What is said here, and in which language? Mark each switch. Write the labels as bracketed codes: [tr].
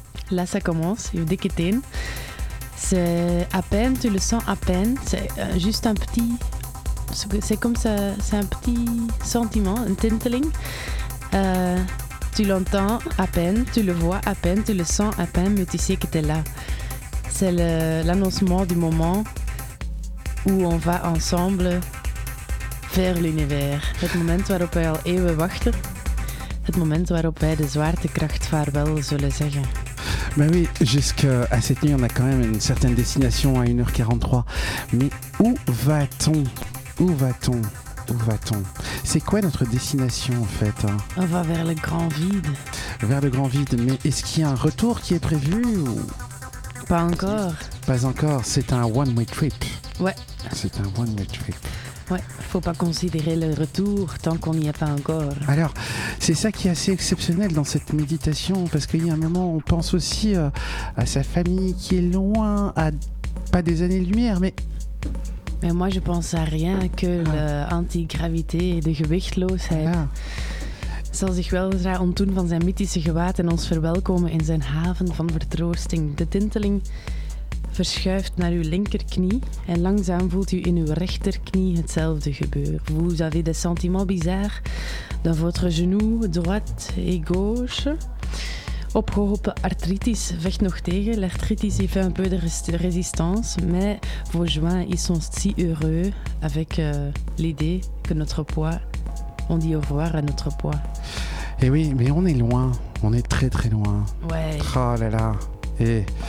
[fr] Là, ça commence, [nl] uw dikke teen. [fr] C'est à peine, tu le sens à peine, c'est juste un petit, c'est comme ça, c'est un petit sentiment, un tintling. Tu l'entends à peine, tu le vois à peine, tu le sens à peine, mais tu sais que t'es là. C'est l'annoncement du moment où on va ensemble vers l'univers. [nl] Het moment waarop wij al eeuwen wachten. Het moment waarop wij de zwaartekracht vaarwel zullen zeggen. [fr] Ben oui, jusqu'à cette nuit, on a quand même une certaine destination à 1h43. Mais où va-t-on? Où va-t-on? Où va-t-on? C'est quoi notre destination en fait? On va vers le grand vide. Vers le grand vide, mais est-ce qu'il y a un retour qui est prévu ou... Pas encore. Pas encore, c'est un one-way trip. Ouais. C'est un one-way trip. Ouais, faut pas considérer le retour tant qu'on n'y est pas encore. Alors, c'est ça qui est assez exceptionnel dans cette méditation, parce qu'il y a un moment, on pense aussi à sa famille qui est loin, à pas des années-lumière, mais... Mais moi, je pense à rien que l'antigravité et [nl] de gewichtloosheid. [fr] Ah. [nl] Zal zich weldra ontdoen van zijn mythische gewaad en ons verwelkomen in zijn haven van vertroosting. De tinteling... Verschuift naar uw linkerknie en langzaam voelt u in uw rechterknie hetzelfde gebeuren. [fr] Vous avez des sentiments bizarres dans votre genou, droite et gauche. [nl] Opgehopen artritis vecht nog tegen. [fr] L'artritis y fait un peu de résistance, mais vos joints y sont si heureux avec l'idée que notre poids, on dit au revoir à notre poids. Eh oui, mais on est loin. On est très très loin. Ouais. Oh là là. Et...